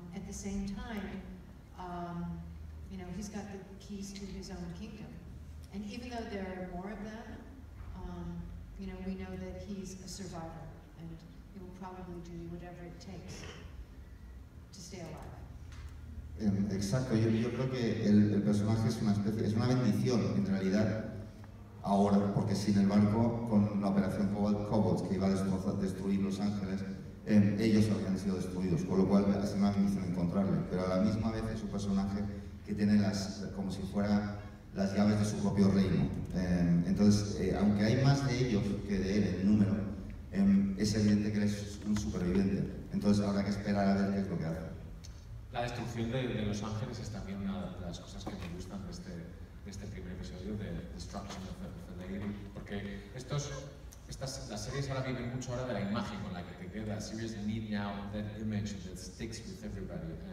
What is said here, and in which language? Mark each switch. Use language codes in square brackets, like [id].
[en] At the same time, he's got the keys to his own kingdom. And even though there are more of them, we know that he's a survivor, and he will probably do whatever it takes to stay alive. [es] Exacto. Yo creo que el personaje es una especie, es una bendición en realidad ahora, porque sin el barco, con la operación Cobalt que iba a destruir Los Ángeles, ellos habían sido destruidos. Con lo cual es una bendición encontrarle. Pero a la misma vez es un personaje que tiene las como si fuera las llaves de su propio reino. Entonces, aunque hay más de ellos que de él en número, es evidente que él es un superviviente. Entonces, habrá que esperar a ver qué es lo que hace. La destrucción de Los Ángeles es también una de las cosas que me gustan de este primer episodio, de Destruction of the Lady. Porque las series ahora viven mucho ahora de la imagen con la que te quedas. [en] Series need now that image that sticks with everybody.